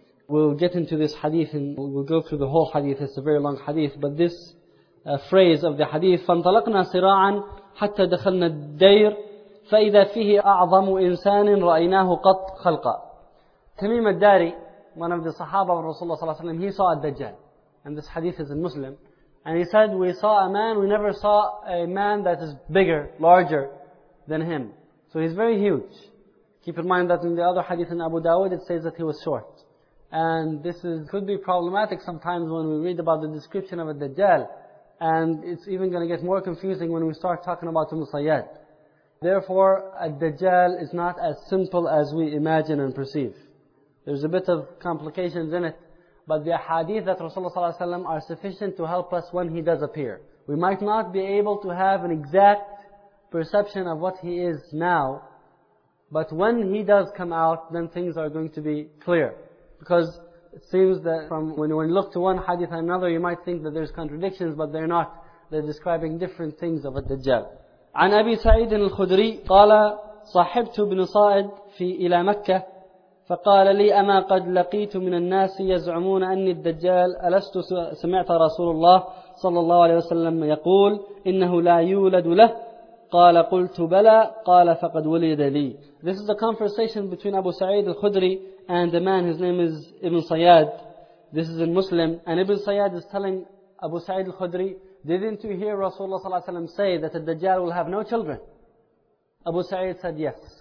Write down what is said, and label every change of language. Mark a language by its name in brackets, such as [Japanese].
[English] We'll get into this hadith and we'll go through the whole hadith. It's a very long hadith, but this phrase of the hadith, [Arabic] فَانْطَلَقْنَا صِرَاعًا حَتَّى دَخَلْنَا الدَّيْرِ فَإِذَا فِيهِ أَعْظَمُ إِنسَانٍ رَأَيْنَاهُ قَطْ خَلْقًا. [English] Tamim al-Dari, one of the Sahaba of Rasulullah Sallallahu Alaihi Wasallam, he saw al-Dajjal. And this hadith is in Muslim. And he said, we saw a man, we never saw a man that is bigger, larger than him. So he's very huge. Keep in mind that in the other hadith in Abu Dawud, it says that he was short. And this is could be problematic sometimes when we read about the description of al-Dajjal. And it's even going to get more confusing when we start talking about the Musayyad. Therefore, al-Dajjal is not as simple as we imagine and perceive. There's a bit of complications in it. But the hadith that Rasulullah Sallallahu Alaihi Wasallam are sufficient to help us when he does appear. We might not be able to have an exact perception of what he is now. But when he does come out, then things are going to be clear. Because it seems that from when you look to one hadith and another, you might think that there's contradictions, but they're not. They're describing different things of al-Dajjal. [Arabic] عن أبي سعيد الخدري قال صاحبت بن صائد في إلى مكة فقال لي أما قد لقيت من الناس يزعمون أني الدجال ألست سمعت رسول الله صلى الله عليه وسلم يقول إنه لا يولد له قال قلت بلى قال فقد ولد لي. [English] This is a conversation between Abu Sa'id al-Khudri and a man, his name is Ibn Sayyad. This is in Muslim. And Ibn Sayyad is telling Abu Sa'id al-Khudri, didn't you hear Rasulullah sallallahu alayhi wa sallam say that the Dajjal will have no children? Abu Sa'id said yes.